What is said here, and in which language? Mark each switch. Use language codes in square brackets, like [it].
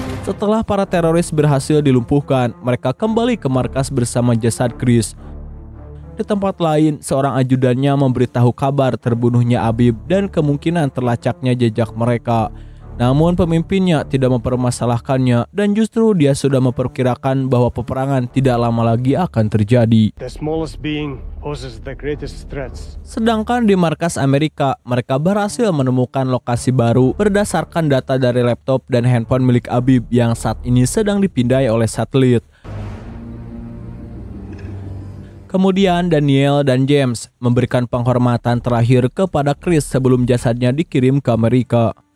[id] Setelah para teroris berhasil dilumpuhkan, mereka kembali ke markas bersama jasad Chris. Di tempat lain, seorang ajudannya memberitahu kabar terbunuhnya Abib dan kemungkinan terlacaknya jejak mereka. Namun pemimpinnya tidak mempermasalahkannya dan justru dia sudah memperkirakan bahwa peperangan tidak lama lagi akan terjadi. [en] The smallest being poses the greatest threats. [id] Sedangkan di markas Amerika, mereka berhasil menemukan lokasi baru berdasarkan data dari laptop dan handphone milik Abib yang saat ini sedang dipindai oleh satelit. Kemudian Daniel dan James memberikan penghormatan terakhir kepada Chris sebelum jasadnya dikirim ke Amerika.